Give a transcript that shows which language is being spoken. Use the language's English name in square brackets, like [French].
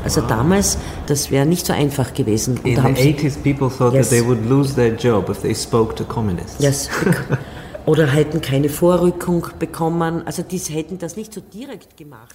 [German] Also damals, das wäre nicht so einfach gewesen. [English] Und in the 80s, people thought that they would lose their job if they spoke to communists. [German] Yes. Oder hätten keine Vorrückung bekommen. Also die hätten das nicht so direkt gemacht.